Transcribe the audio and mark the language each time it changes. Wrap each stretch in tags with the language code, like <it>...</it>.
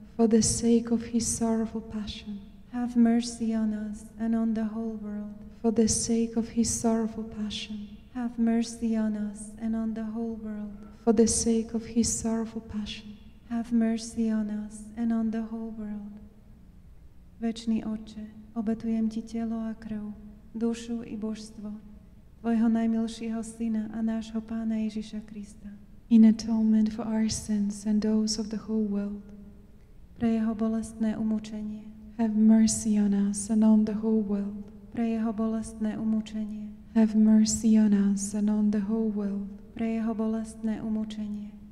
<en>For the sake of his sorrowful passion, have mercy on us and on the whole world. For the sake of his sorrowful passion, have mercy on us and on the whole world. For the sake of his sorrowful passion, have mercy on us and on the whole world.</en> <sk>Večný Otče, obetujem ti telo a krv, dušu i božstvo tvojho najmilšieho Syna a nášho Pána Ježiša Krista.</sk> <en>In atonement for our sins and those of the whole world,</en> <sk>pre jeho bolestné umučenie,</sk> <en>have mercy on us and on the whole world.</en> <sk>Pre jeho bolestné umučenie,</sk> <en>have mercy on us and on the whole world.</en> <sk>Pre jeho bolestné umučenie,</sk>